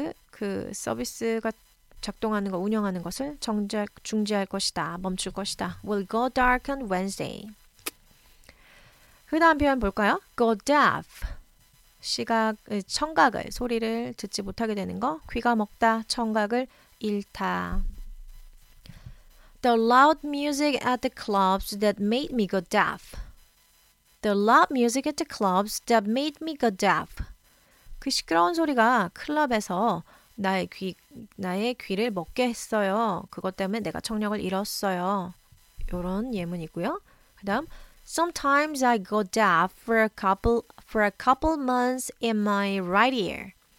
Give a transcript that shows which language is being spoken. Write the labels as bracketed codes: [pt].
[ko] 그 서비스가 작동하는 거 운영하는 것을 중지할 것이다. 멈출 것이다. [en] Will go dark on Wednesday. [ko] 그 다음 표현 볼까요? [en] Go deaf. [ko] 시각, 청각을, 소리를 듣지 못하게 되는 거. 귀가 먹다, 청각을 잃다. [en] The loud music at the clubs that made me go deaf. The loud music at the clubs that made me go deaf. [ko] 그 시끄러운 소리가 클럽에서 나의 귀를 먹게 했어요. 그것 때문에 내가 청력을 잃었어요. 이런 예문이고요. 그다음 [en] Sometimes I go deaf for a couple months in my right ear.